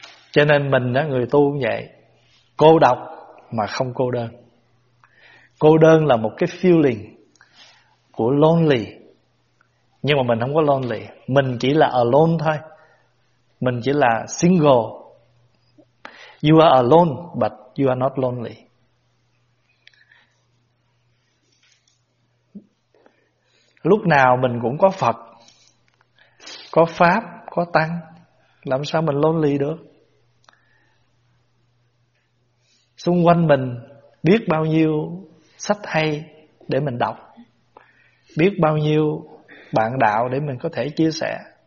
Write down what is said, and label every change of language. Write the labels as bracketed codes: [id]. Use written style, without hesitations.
[vi] Cho nên mình đó, người tu cũng vậy. Cô độc mà không cô đơn. Cô đơn là một cái feeling của lonely. Nhưng mà mình không có lonely. Mình chỉ là alone thôi. Mình chỉ là single. [en] You are alone but you are not lonely. [vi] Lúc nào mình cũng có Phật, có Pháp, có Tăng, làm sao mình lonely được? Xung quanh mình biết bao nhiêu sách hay để mình đọc, biết bao nhiêu bạn đạo để mình có thể chia sẻ.